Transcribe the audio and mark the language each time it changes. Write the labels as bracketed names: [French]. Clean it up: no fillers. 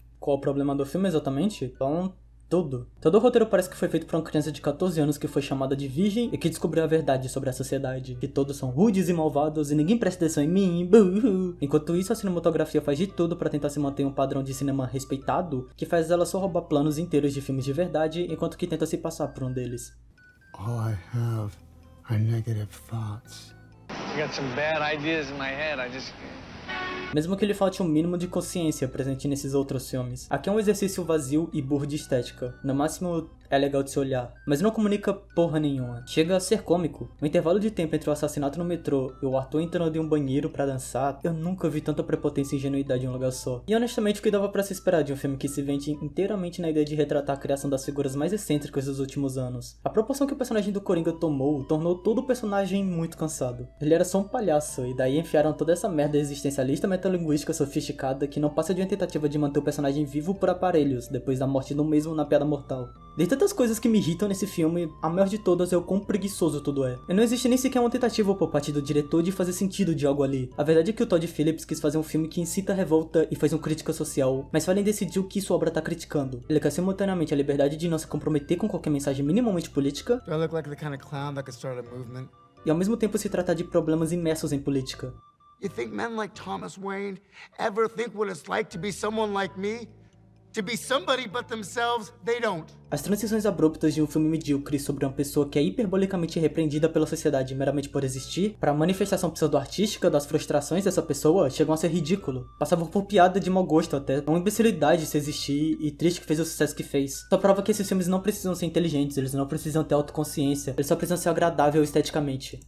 [Portuguese] Qual o problema do filme exatamente? Tudo. Todo o roteiro parece que foi feito por uma criança de 14 anos que foi chamada de virgem e que descobriu a verdade sobre a sociedade. Que todos são rudes e malvados e ninguém presta atenção em mim. Enquanto isso, a cinematografia faz de tudo pra tentar se manter um padrão de cinema respeitado, que faz ela só roubar planos inteiros de filmes de verdade, enquanto que tenta se passar por um deles. [English] All I have are negative thoughts. I got some bad ideas in my head, [Portuguese] Mesmo que lhe falte um mínimo de consciência presente nesses outros filmes. Aqui é um exercício vazio e burro de estética. No máximo, é legal de se olhar. Mas não comunica porra nenhuma. Chega a ser cômico. O intervalo de tempo entre o assassinato no metrô e o Arthur entrando em um banheiro pra dançar, eu nunca vi tanta prepotência e ingenuidade em um lugar só. E honestamente, o que dava pra se esperar de um filme que se vende inteiramente na ideia de retratar a criação das figuras mais excêntricas dos últimos anos? A proporção que o personagem do Coringa tomou, tornou todo o personagem muito cansado. Ele era só um palhaço, e daí enfiaram toda essa merda existencialista metalinguística sofisticada que não passa de uma tentativa de manter o personagem vivo por aparelhos, depois da morte do mesmo na piada mortal. De tantas coisas que me irritam nesse filme, a maior de todas é o quão preguiçoso tudo é. E não existe nem sequer uma tentativa por parte do diretor de fazer sentido de algo ali. A verdade é que o Todd Phillips quis fazer um filme que incita a revolta e faz uma crítica social, mas falha em decidir o que sua obra tá criticando. Ele quer simultaneamente a liberdade de não se comprometer com qualquer mensagem minimamente política. [English] Do I look like the kind of clown that could start a movement? [Portuguese] E ao mesmo tempo se tratar de problemas imersos em política. [English] You think men like Thomas Wayne ever think what it's like to be someone like me? To be somebody but themselves, they don't. [Portuguese] As transições abruptas de um filme medíocre sobre uma pessoa que é hiperbolicamente repreendida pela sociedade meramente por existir, para a manifestação pseudo-artística das frustrações dessa pessoa, chegam a ser ridículo. Passavam por piada de mau gosto até, uma imbecilidade se existir e triste que fez o sucesso que fez. Só prova que esses filmes não precisam ser inteligentes, eles não precisam ter autoconsciência, eles só precisam ser agradáveis esteticamente.